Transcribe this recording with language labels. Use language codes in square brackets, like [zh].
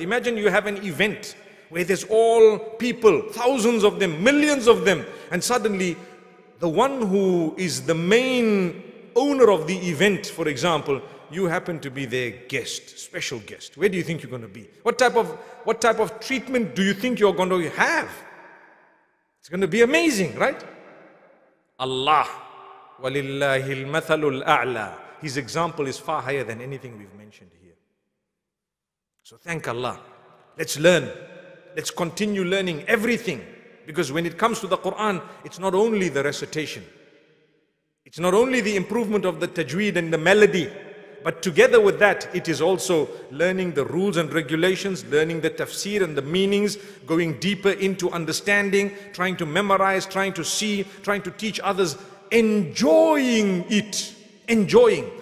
[en] Imagine you have an event where there's all people, thousands of them, millions of them, and suddenly the one who is the main owner of the event, for example, you happen to be their guest, special guest. Where do you think you're going to be? What type of treatment do you think you're going to have? It's going to be amazing, right? [ar] Allah, وَلِلَّهِ الْمَثَلُ الْأَعْلَى. [en] His example is far higher than anything we've mentioned here. So thank Allah. Let's learn. Let's continue learning everything. Because when it comes to the Quran, it's not only the recitation. It's not only the improvement of the tajweed and the melody. But together with that, it is also learning the rules and regulations, learning the tafsir and the meanings, going deeper into understanding, trying to memorize, trying to see, trying to teach others, enjoying it. Enjoying.